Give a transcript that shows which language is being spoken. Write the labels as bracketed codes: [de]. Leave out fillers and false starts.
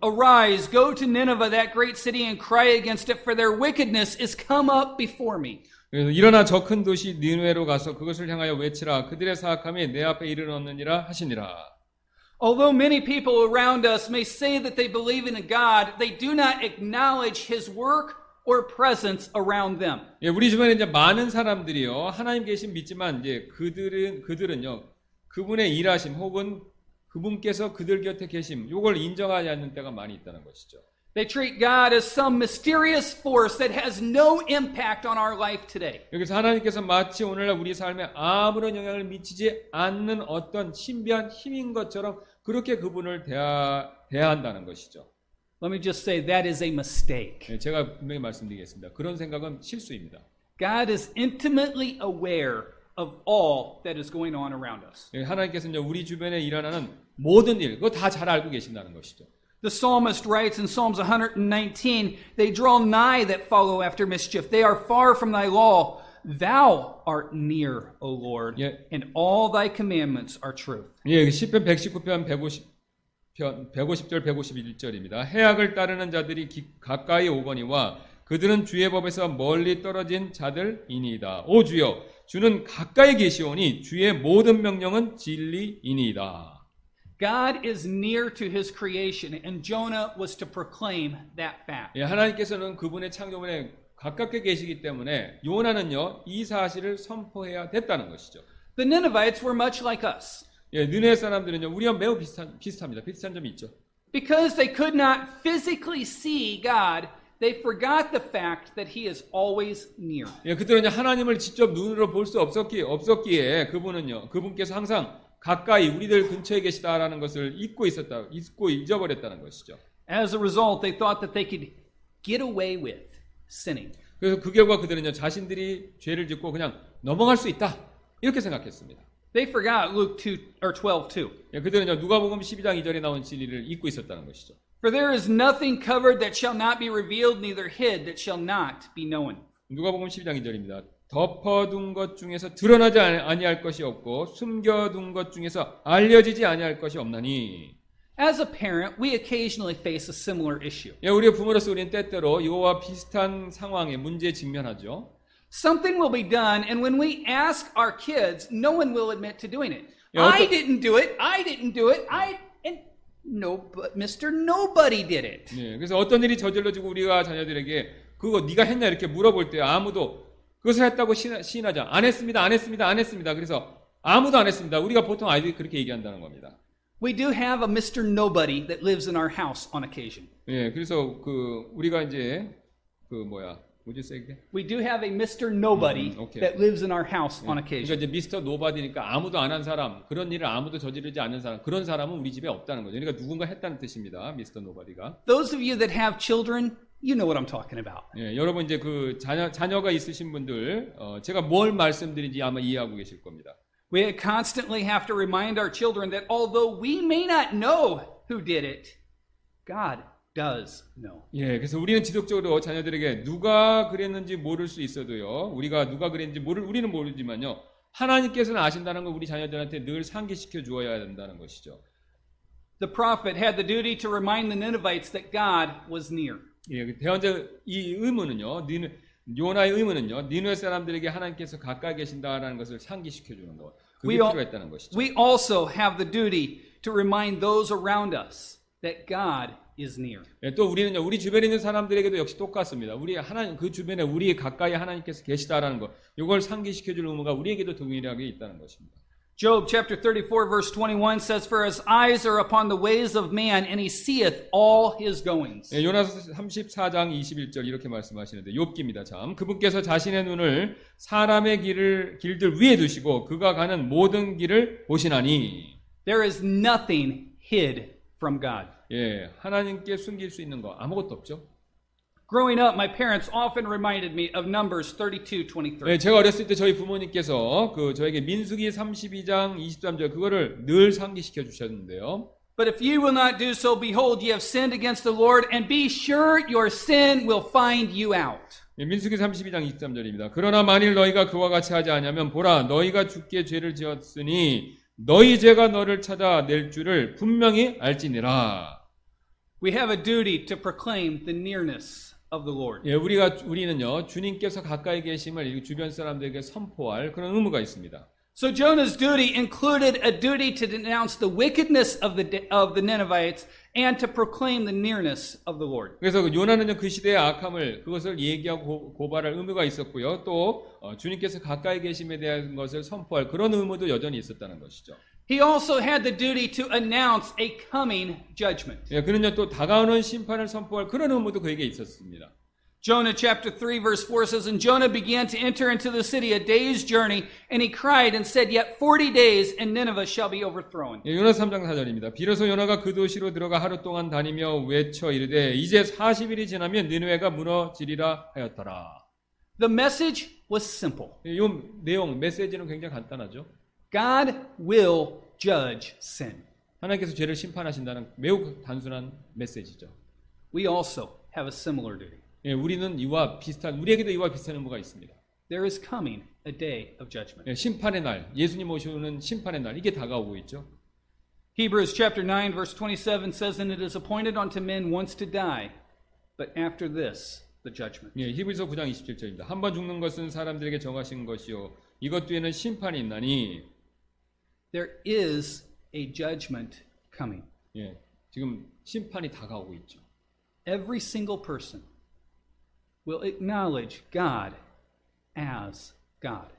[en] Arise, go to Nineveh, that great city, and cry against it, for their wickedness is come up before me. [ko] 일어나 저 큰 도시 니느웨로 가서 그것을 향하여 외치라. 그들의 사악함이 내 앞에 이르렀느니라 하시니라. [en] Although many people around us may say that they believe in a God, they do not acknowledge his work or presence around them. [ko] 예, 우리 주변에 이제 많은 사람들이요, 하나님 계신 믿지만 이제 그들은요, 그분의 일하심 혹은 그분께서 그들 곁에 계심 요걸 인정하지 않는 때가 많이 있다는 것이죠. [en] They treat God as some mysterious force that has no impact on our life today. [ko] 여기서 하나님께서 마치 오늘날 우리 삶에 아무런 영향을 미치지 않는 어떤 신비한 힘인 것처럼 그렇게 그분을 대한다는 것이죠. [en] Let me just say that is a mistake. [ko] 제가 분명히 말씀드리겠습니다. 그런 생각은 실수입니다. [en] God is intimately aware of all that is going on around us. [ko] 하나님께서는 우리 주변에 일어나는 모든 일, 그거 다 잘 알고 계신다는 것이죠. [en] The psalmist writes in Psalms 119, They draw nigh that follow after mischief. They are far from thy law. Thou art near, O Lord, and all thy commandments are truth. [ko] 예, 시편 119편 150절 151절입니다. 해악을 따르는 자들이 가까이 오거니와 그들은 주의 법에서 멀리 떨어진 자들이니이다. 오 주여, 주는 가까이 계시오니 주의 모든 명령은 진리이니이다. [en] God is near to his creation and Jonah was to proclaim that fact. [ko] 예, 하나님께서는 그분의 창조물에 가깝게 계시기 때문에 요나는요, 이 사실을 선포해야 됐다는 것이죠. [en] The Ninevites were much like us. [ko] 예, 느네 사람들은요, 우리와 매우 비슷합니다. 비슷한 점이 있죠. [en] Because they could not physically see God, they forgot the fact that he is always near. [ko] 예, 그들은요, 하나님을 직접 눈으로 볼 수 없었기에 그분은요, 그분께서 항상 가까이 우리들 근처에 계시다라는 것을 잊고 잊어버렸다는 것이죠. [en] As a result, they thought that they could get away with sinning. [ko] 그래서 그 결과 그들은요 자신들이 죄를 짓고 그냥 넘어갈 수 있다 이렇게 생각했습니다. [en] They forgot Luke 2 or 12 too. [ko] 예, 그들은요 누가복음 12장 2절에 나온 진리를 잊고 있었다는 것이죠. [en] For there is nothing covered that shall not be revealed, neither hid that shall not be known. [ko] 누가복음 12장 2절입니다. 덮어둔 것 중에서 드러나지 아니할 것이 없고 숨겨둔 것 중에서 알려지지 아니할 것이 없나니. [en] As a parent, we occasionally face a similar issue. [ko] 예, 우리 부모로서 우리는 때때로 이와 비슷한 상황에 문제에 직면하죠. [en] Something will be done, and when we ask our kids, no one will admit to doing it. [ko] 예, Mr. [en] Nobody did it. [ko] 예, 그래서 어떤 일이 저질러지고 우리가 자녀들에게 그거 네가 했냐 이렇게 물어볼 때 아무도 그것을 했다고 시인하자. 안 했습니다. 안 했습니다. 안 했습니다. 그래서 아무도 안 했습니다. 우리가 보통 아이들이 그렇게 얘기한다는 겁니다. [en] We do have a Mr. Nobody that lives in our house on occasion. [ko] 예, 그래서 그 우리가 이제 그 뭐야? [en] Would you say again? We do have a Mr. Nobody okay. that lives in our house 예, on occasion. [ko] 그러니까 이제 Mr. Nobody니까 아무도 안 한 사람, 그런 일을 아무도 저지르지 않은 사람, 그런 사람은 우리 집에 없다는 거죠. 그러니까 누군가 했다는 뜻입니다. Mr. Nobody가. [en] Those of you that have children, you know what I'm talking about. [ko] 예, 여러분 이제 그 자녀가 있으신 분들, 제가 뭘 말씀드린지 아마 이해하고 계실 겁니다. [en] We constantly have to remind our children that although we may not know who did it, God does know. [ko] 예, 그래서 우리는 지속적으로 자녀들에게 누가 그랬는지 모를 수 있어도요. 우리가 누가 그랬는지 우리는 모르지만요. 하나님께서는 아신다는 걸 우리 자녀들한테 늘 상기시켜 주어야 된다는 것이죠. [en] The prophet had the duty to remind the Ninevites that God was near. [ko] 예, 대언자 이 의무는요. 요나의 의무는요. 니느웨 사람들에게 하나님께서 가까이 계신다라는 것을 상기시켜 주는 것. 그게 필요했다는 것이죠. [en] We also have the duty to remind those around us that God is near. [ko] 예, 또 우리는요. 우리 주변에 있는 사람들에게도 역시 똑같습니다. 우리 하나님 그 주변에 우리 가까이 하나님께서 계시다라는 것. 이걸 상기시켜 줄 의무가 우리에게도 동일하게 있다는 것입니다. [en] Job chapter 34 verse 21 says for his eyes are upon the ways of man and he seeth all his goings. [ko] 예, 요나서 34장 21절 이렇게 말씀하시는데 욥기입니다. 참 그분께서 자신의 눈을 사람의 길들 위에 두시고 그가 가는 모든 길을 보시나니. [en] There is nothing hid from God. [ko] 예, 하나님께 숨길 수 있는 거 아무것도 없죠. [en] Growing up, my parents often reminded me of Numbers 32:23. [ko] 네, 제가 어렸을 때 저희 부모님께서 그 저에게 민수기 32장 23절 그거를 늘 상기시켜 주셨는데요. [en] But if you will not do so, behold, you have sinned against the Lord, and be sure your sin will find you out. [ko] 네, 민수기 32장 23절입니다. 그러나 만일 너희가 그와 같이 하지 않으면 보라, 너희가 주께 죄를 지었으니 너희 죄가 너를 찾아낼 줄을 분명히 알지니라. [en] We have a duty to proclaim the nearness of the Lord. [ko] 예, 우리는요 주님께서 가까이 계심을 주변 사람들에게 선포할 그런 의무가 있습니다. [en] So Jonah's duty included a duty to denounce the wickedness of the Ninevites and to proclaim the nearness of the Lord. [ko] 그래서 요나는요 그 시대의 악함을 그것을 얘기하고 고발할 의무가 있었고요. 또 주님께서 가까이 계심에 대한 것을 선포할 그런 의무도 여전히 있었다는 것이죠. [en] He also had the duty to announce a coming judgment. [ko] 예, 그는요 또 다가오는 심판을 선포할 그런 의무도 그에게 있었습니다. [en] Jonah chapter 3 verse 4 says, And Jonah began to enter into the city a day's journey, and he cried and said, Yet 40 days, and Nineveh shall be overthrown. [ko] 예, 요나 3장 4절입니다. 비로소 요나가 그 도시로 들어가 하루 동안 다니며 외쳐 이르되 이제 40일이 지나면 니느웨가 무너지리라 하였더라. [en] The message was simple. [ko] 예, 요 내용 메시지는 굉장히 간단하죠. [en] God will judge sin. [ko] 하나님께서 죄를 심판하신다는 매우 단순한 메시지죠. [en] We also have a similar duty. [ko] 예, 우리는 이와 비슷한 우리에게도 이와 비슷한 의무가 있습니다. [en] There is coming a day of judgment. [ko] 예, 심판의 날, 예수님 오시는 심판의 날 이게 다가오고 있죠. [en] Hebrews chapter 9 verse 27 says, "And it is appointed unto men once to die, but after this the judgment." [ko] 예, 히브리서 9장 27절입니다. 한번 죽는 것은 사람들에게 정하신 것이요. 이것 뒤에는 심판이 있나니 [en] There is a judgment coming. [ko] 예. 지금 심판이 다가오고 있죠. [en] Every single person will acknowledge God as God.